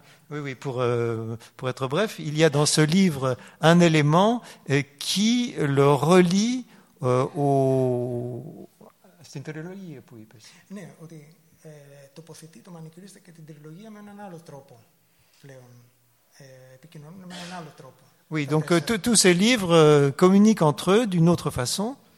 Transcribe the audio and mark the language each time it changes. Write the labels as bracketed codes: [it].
[fr] Oui, pour être bref, il y a dans ce livre un élément qui le relie au. C'est une trilogie, oui. [el] Ναι, ότι τοποθετεί το μανικιουρίστα και την τριλογία με έναν άλλο τρόπο πλέον. Επικοινωνούν με έναν άλλο τρόπο. [fr] Oui, donc tous ces livres communiquent entre eux d'une autre façon.